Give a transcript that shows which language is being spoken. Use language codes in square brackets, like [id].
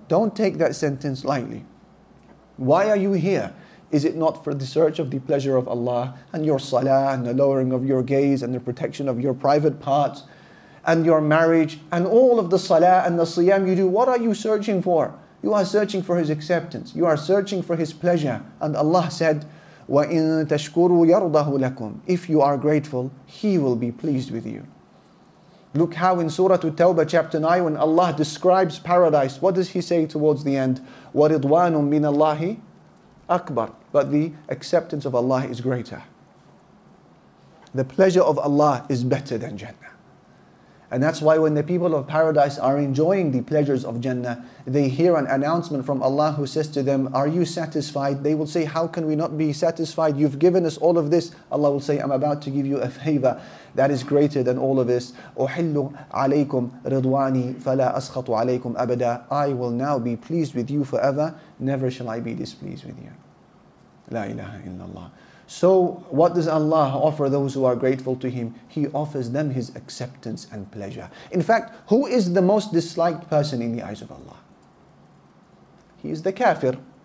[en] Don't take that sentence lightly. Why are you here? Is it not for the search of the pleasure of Allah and your salah and the lowering of your gaze and the protection of your private parts and your marriage, and all of the salah and the siyam you do? What are you searching for? You are searching for His acceptance. You are searching for His pleasure. And Allah said, [ar] وَإِن تَشْكُرُوا يَرْضَهُ لَكُمْ. [en] If you are grateful, He will be pleased with you. Look how in Surah At-Tawbah chapter 9, when Allah describes paradise, what does He say towards the end? [ar] وَرِضْوَانٌ مِّنَ اللَّهِ أَكْبَرٌ. [en] But the acceptance of Allah is greater. The pleasure of Allah is better than Jannah. And that's why when the people of paradise are enjoying the pleasures of Jannah, they hear an announcement from Allah who says to them, are you satisfied? They will say, how can we not be satisfied? You've given us all of this. Allah will say, I'm about to give you a favor that is greater than all of this. [ar] أُحِلُّ عَلَيْكُمْ رِضْوَانِي فَلَا أَسْخَطُ عَلَيْكُمْ أَبَدًا. [en] I will now be pleased with you forever. Never shall I be displeased with you. [ar] لا إله إلا الله. [en] So what does Allah offer those who are grateful to Him? He offers them His acceptance and pleasure. In fact, who is the most disliked person in the eyes of Allah? He is the kafir.